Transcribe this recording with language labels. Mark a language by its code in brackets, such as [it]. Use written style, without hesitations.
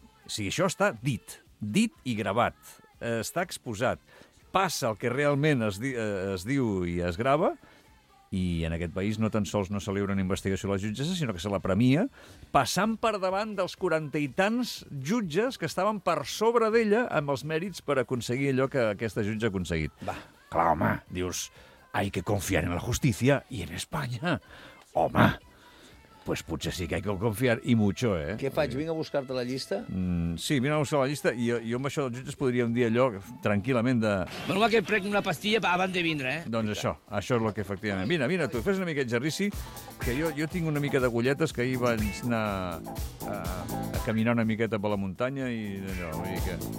[ca] Si això està dit... Dit i gravat, està exposat, passa el que realment es diu i es grava, i en aquest país no tan sols no se li obre una investigació a la jutgessa, sinó que se la premia, passant per davant dels 40 i tants jutges que estaven per sobre d'ella amb els mèrits per aconseguir allò que aquesta jutge ha aconseguit. Va, clar, home, dius, [es] hay que confiar en la justicia y en España, home... Pues [ca] potser [es] sí que hay que confiar, y mucho, ¿eh? [ca] Què faig? Vinc a buscar-te la llista? Sí, vinc a buscar la llista, i jo amb això dels jutges podríem dir allò tranquil·lament de... Bueno, que prenc una pastilla abans de vindre, eh? Doncs això és el que efectivament... Vine, tu fes una mica exercici, que jo tinc una mica de golletes, que ahir vaig anar a caminar una miqueta per la muntanya, i allò, vull dir que...